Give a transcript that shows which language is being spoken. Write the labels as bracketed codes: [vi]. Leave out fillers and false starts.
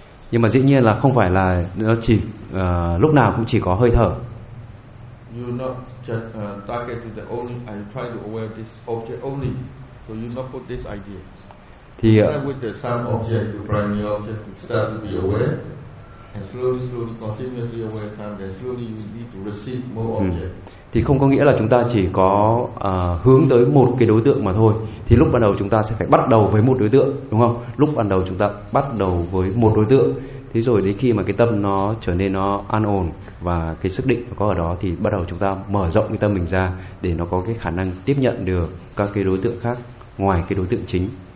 [vi] Nhưng mà dĩ nhiên là không phải là nó chỉ lúc nào cũng chỉ có hơi thở. [en] You not just target the only and try to aware this object only. So you not put this idea. [vi] Thì [en] with the same object, the primary object, to start to be aware and slowly continuously aware time, then slowly you need to receive more object. [vi] Thì không có nghĩa là chúng ta chỉ có hướng tới một cái đối tượng mà thôi. Thì lúc ban đầu chúng ta sẽ phải bắt đầu với một đối tượng, đúng không? Lúc ban đầu chúng ta bắt đầu với một đối tượng. Thế rồi đến khi mà cái tâm nó trở nên nó an ổn và cái sức định có ở đó, thì bắt đầu chúng ta mở rộng cái tâm mình ra để nó có cái khả năng tiếp nhận được các cái đối tượng khác ngoài cái đối tượng chính.